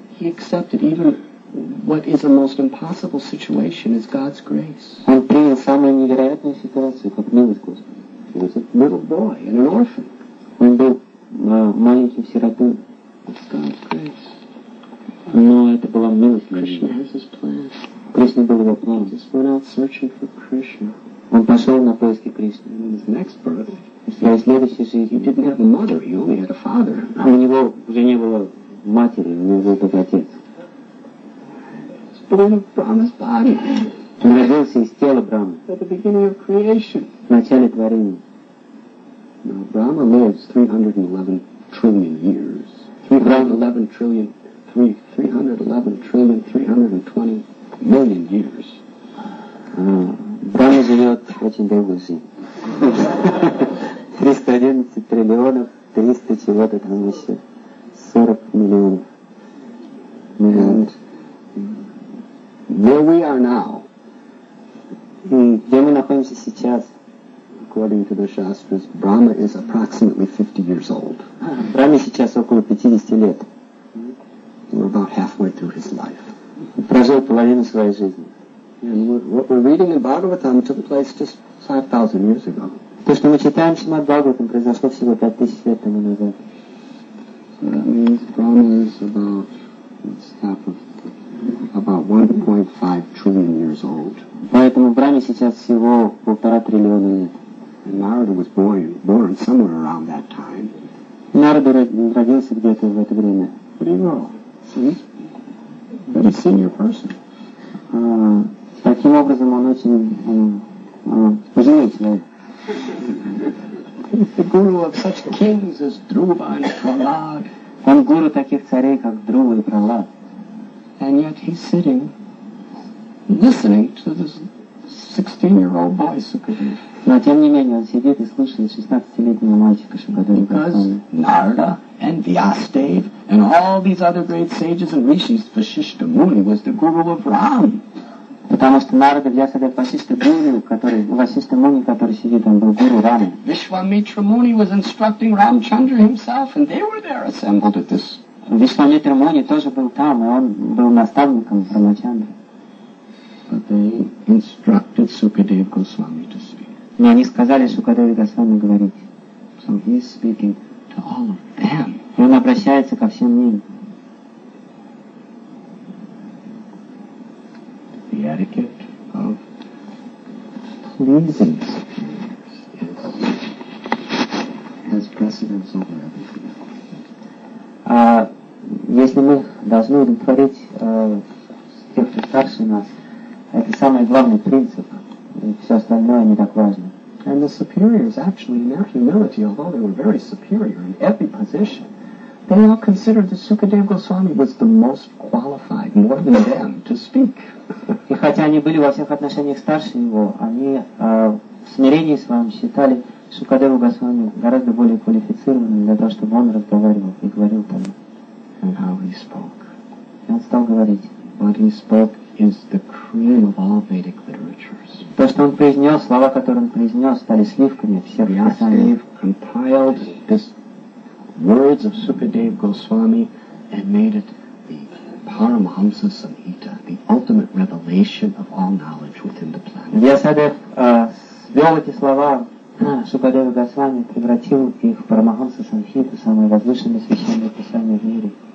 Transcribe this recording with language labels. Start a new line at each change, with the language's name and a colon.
English: he accepted even what is a most impossible situation is God's grace.
Russian: Он принял самую невероятную ситуацию как милость Господа.
English: He was a little boy and an orphan.
Russian: Он был маленьким сиротой.
English: It's God's grace.
Russian: Но это была милость
English: Кришны. Krishna has his plan.
Russian: Кришна был его план.
English: He just went out searching for Krishna.
Russian: Он пошел на поиски Кришны.
English: And in his next birth,
Russian: своей следующей жизни,
English: he didn't have a mother, he only had a father.
Russian: У него уже не было матери, у него был только отец.
English: Born of Brahma's body.
Russian: Он родился из тела Брамы.
English: At the beginning of creation.
Russian: В начале творения.
English: Now Brahma lives 311 trillion years. 311 trillion, 311 trillion, 320 million years.
Russian: Брама живет очень долгую жизнь. 311 триллионов, 300 чего-то там еще. 40 миллионов. Миллионов.
English: Where we are now.
Russian: Где мы находимся сейчас?
English: According to the Shastras, Brahma is approximately 50 years old.
Russian: Брахма сейчас около 50 лет.
English: We're about halfway through his life.
Russian: Прожил половину своей жизни.
English: And what we're reading in Bhagavatam took place just 5,000 years ago.
Russian: То, что мы читаем в Шримад-Бхагаватам, произошло всего 5,000 лет тому назад.
English: So that means Brahma is about half of about 1.5 trillion years old.
Russian: Поэтому Брахма сейчас всего 1.5 триллиона лет.
English: And Narada was born somewhere around that time.
Russian: Narada родился где-то в это время.
English: Pretty well. See? Very senior person.
Russian: Таким образом он очень пожилой человек.
English: The guru of such kings as Dhruva and Prahlad
Russian: Он гуру таких царей, как Друва и Пралад.
English: And yet he's sitting, listening to this 16-year-old boy, Sukadeva.
Russian: Но тем не менее он сидит и слушает 16-летнего мальчика Шукадева.
English: Because Narada and Vyasadeva and all these other great sages and rishis, Vasishtha Muni was the guru of Ram.
Russian: Потому что Нарада Вьясадева Васишта Муни, который Васишта Муни, который сидит, он был гуру Рамы.
English: Вишвамитра Муни was instructing Рамчандра himself, and they were there assembled at this.
Russian: Вишвамитра Муни тоже был там, и он был наставником Рамачандры.
English: But they instructed Сукадева Госвами to speak.
Russian: Но они сказали Сукадеве Госвами говорить.
English: So he's speaking to all of them.
Russian: И он обращается ко всем ним.
English: The etiquette of pleasing superiors has precedence over everything else.
Russian: Если мы должны удовлетворить тех, кто старше нас, это самый главный принцип, и все остальное не так важно.
English: And the superiors actually, in their humility, although they were very superior in every position, they all considered that Sukadeva Goswami was the most qualified, more than them, to speak.
Russian: И хотя они были во всех отношениях старше его, они в смирении своем считали Шукадеву Госвами гораздо более квалифицированным для того, чтобы он разговаривал и говорил там.
English: And how he spoke.
Russian: И он стал говорить.
English: What he spoke is the cream of all Vedic literatures.
Russian: То, что он произнес, слова, которые он произнес, стали сливками всех писаний.
English: Vyasadev compiled the words of Sukadeva Goswami and made it Paramahamsa Samhita, the ultimate revelation of all knowledge within the planet.
Russian: Vyasadev свел эти слова Шукадева Госвами, превратил их в Парамахамса Самхиту, самое возвышенное священное писание в мире.